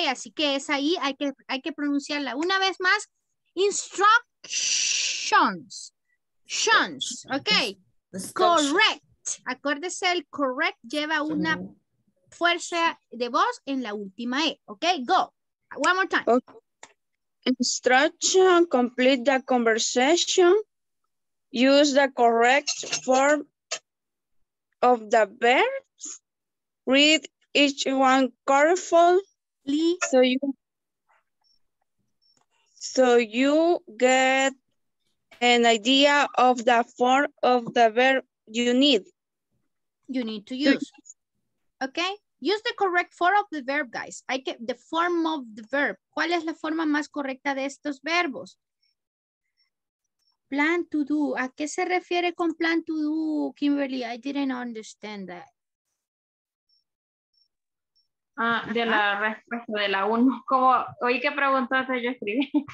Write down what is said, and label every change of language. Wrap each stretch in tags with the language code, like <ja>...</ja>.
<es>Así que es ahí, hay que pronunciarla una vez más, instructions, ¿ok? Correct, acuérdese, el correct lleva una fuerza de voz en la última E, ¿ok?</es> <en>Go, one more time. Okay. Instruction, complete the conversation, use the correct form of the verbs, read each one carefully so you get an idea of the form of the verb you need to use. Okay. Use the correct form of the verb, guys. The form of the verb.</en> <es>¿Cuál es la forma más correcta de estos verbos?</es> <en>Plan to do.</en> <es>¿A qué se refiere con</es> <en>plan to do, Kimberly? I didn't understand that.</en> <es>De la respuesta de la uno. Como oí que preguntó, yo escribí.</es>